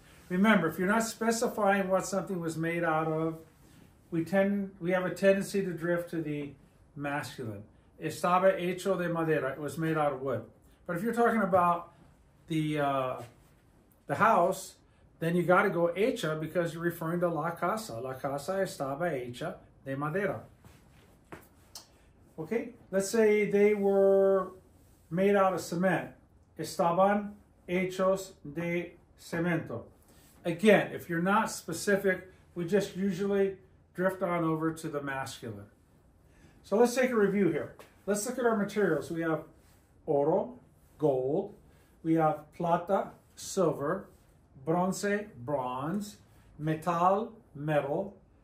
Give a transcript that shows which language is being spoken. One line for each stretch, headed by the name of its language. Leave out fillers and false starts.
English: Remember, if you're not specifying what something was made out of, we have a tendency to drift to the masculine.
Spanish: Estaba hecho de madera.
English: It was made out of wood. But if you're talking about the house, then you got to go hecha because you're referring to la casa.
Spanish: La casa estaba hecha de madera.
English: Okay, let's say they were made out of cement.
Spanish: Estaban hechos de cemento.
English: Again, if you're not specific, we just usually drift on over to the masculine. So let's take a review here. Let's look at our materials. We have oro, gold. We have plata, silver. Bronce, bronze. Metal, metal.